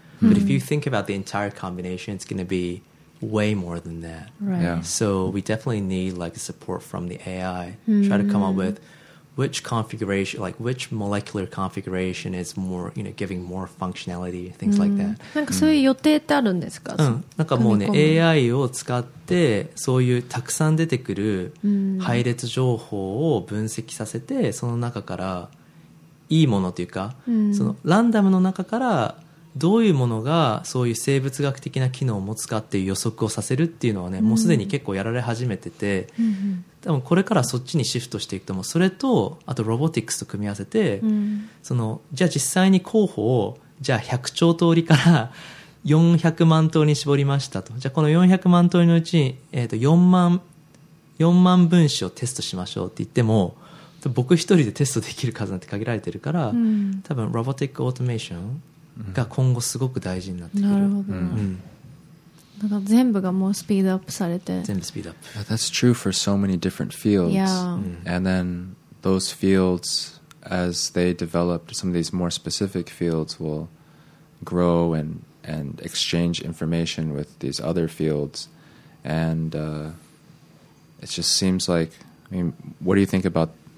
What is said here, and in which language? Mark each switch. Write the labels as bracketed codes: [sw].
[en] But if you think about the entire combination, it's going to be way more than that. Right. Yeah. So we definitely need like support from the AI. Try to come up with which configuration, like which molecular configuration is more, you know, giving more functionality, things like that. [ja] なんかそういう予定ってあるんですか？なんかもうね、AI を使ってそういうたくさん出てくる配列情報を分析させて、その中からいいものというか、そのランダムの中からどういうものがそういう生物学的な機能を持つかっていう予測をさせるっていうのはね、もうすでに結構やられ始めてて、多分これからそっちにシフトしていくと思う。それとあとロボティクスと組み合わせて、そのじゃあ実際に候補をじゃあ100兆通りから400万通りに絞りましたと、じゃあこの400万通りのうちに、4万分子をテストしましょうって言っても僕一人でテストできる数なんて限られてるから、多分ロボティックオートメーションが今後すごく大事になってくる。なるほど。だから全部がもうスピードアップされて。全部スピードアップ。 [en] That's true for so many different fields. And then those fields, as they develop, some of these more specific fields will grow and exchange information with these other fields. And it just seems like, I mean, what do you think about